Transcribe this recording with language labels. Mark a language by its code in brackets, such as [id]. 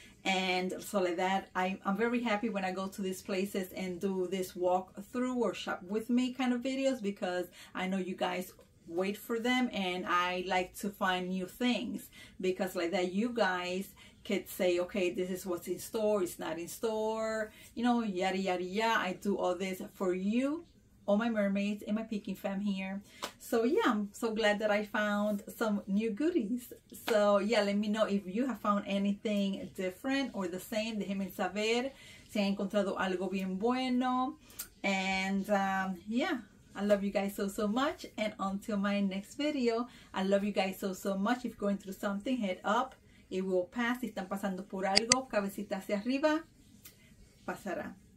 [en] And so like that, I'm very happy when I go to these places and do this walk through or shop with me kind of videos, because I know you guys wait for them and I like to find new things, because like that you guys could say, okay, this is what's in store, it's not in store, you know, yada yada yada. I do all this for you, all my mermaids and my peeking fam here. So yeah, I'm so glad that I found some new goodies. So yeah, let me know if you have found anything different or the same. [es] Déjenme saber si han encontrado algo bien bueno. [en] And yeah, I love you guys so, so much. And until my next video, I love you guys so, so much. If you're going through something, head up. It will pass. [es] Si están pasando por algo, cabecita hacia arriba, pasará.